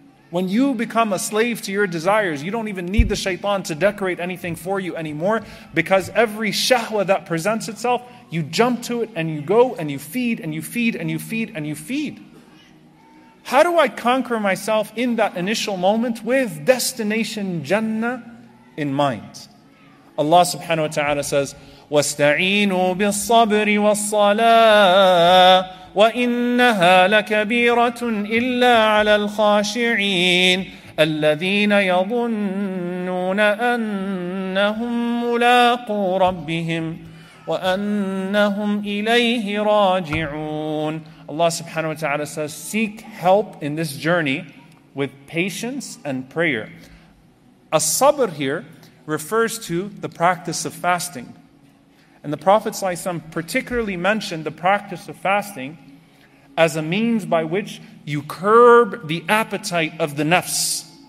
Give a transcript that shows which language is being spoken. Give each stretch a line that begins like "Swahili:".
English: When you become a slave to your desires, you don't even need the shaitan to decorate anything for you anymore, because every shahwa that presents itself, you jump to it and you go and you feed and you feed and you feed and you feed. How do I conquer myself in that initial moment with destination Jannah in mind? Allah subhanahu wa ta'ala says,
Arabic: وَاسْتَعِينُوا بِالصَّبْرِ وَالصَّلَاةِ وَإِنَّهَا لَكَبِيرَةٌ إِلَّا عَلَى الْخَاشِعِينَ الَّذِينَ يَظُنُّونَ أَنَّهُمْ مُلَاقُوا رَبِّهِمْ وَأَنَّهُمْ إِلَيْهِ رَاجِعُونَ.
English: Allah subhanahu wa ta'ala says, seek help in this journey with patience and prayer. As-sabr here refers to the practice of fasting. And the Prophet ﷺ particularly mentioned the practice of fasting as a means by which you curb the appetite of the nafs.